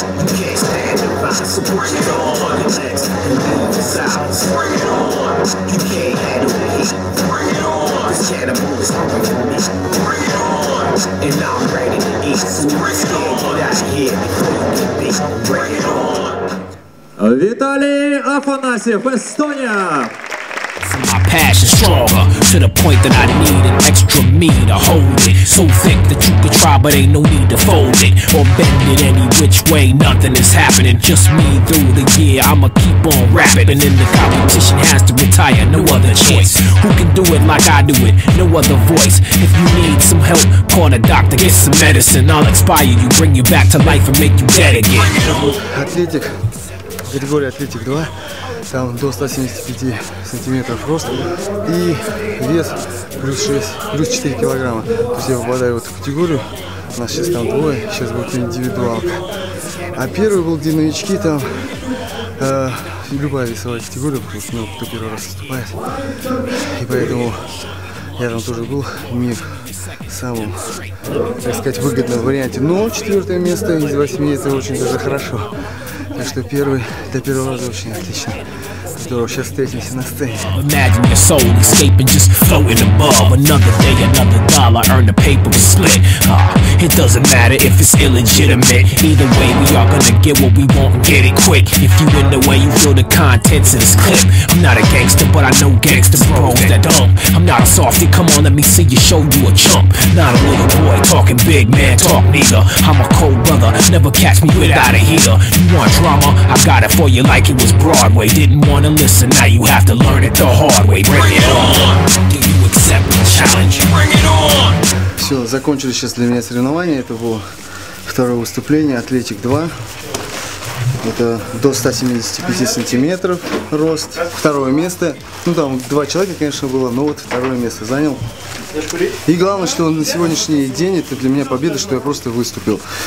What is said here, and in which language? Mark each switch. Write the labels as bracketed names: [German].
[English] You can't stand the violence. So bring it on. Your legs and leave the silence. Bring it on. You can't handle the heat. Bring it on. This cannibal is hungry for me. Bring it on. And now I'm ready to eat. So bring it on. Get out of here before you can be. Bring it on. [Russian] Виталий Афанасьев, Эстония! [English] My passion stronger to the point that I need an extra me to hold it. So thick that you could try, but ain't no need to fold it or bend it any which way. Nothing is happening, just me through the year. I'ma keep on rapping, and then the competition has to retire. No other choice. Who can do it like I do it? No other voice. If you need some help, call the doctor, get some medicine. I'll expire you, bring you back to life, and make you dead again. [Russian] Атлетик, Григорий Атлетик 2. Там до 175 сантиметров роста и вес плюс 6, плюс 4 килограмма. То есть я попадаю в эту категорию. У нас сейчас там двое, сейчас будет индивидуалка. А первый был, где новички там. Любая весовая категория, потому что ну, кто первый раз выступает. И поэтому я там тоже был не в самом, так сказать, выгодном варианте. Но четвертое место из 8 это очень даже хорошо. Так что первый, до первого раза очень отлично. [English] Imagine your soul escaping, just floating above. Another day, another dollar, earn the paper split. It doesn't matter if it's illegitimate. Either way, we are gonna get what we want and get it quick. If you in the way, you feel the contents of this clip. I'm not a gangster, but I know gangsters bros that dumb. I'm not a softy, come on, let me see you show you a chump. Not a little boy talking big man talk neither. I'm a cold brother, never catch me without a heater. You want drama? I got it for you like it was Broadway. Didn't want to listen, now you have to learn it the hard way. Bring it on. Do you accept the challenge? Bring it on. [Russian] Все, закончились сейчас для меня соревнования. Это было второе выступление, Атлетик 2. Это до 175 сантиметров рост. Второе место. Ну, там два человека, конечно, было, но вот второе место занял. И главное, что на сегодняшний день это для меня победа, что я просто выступил.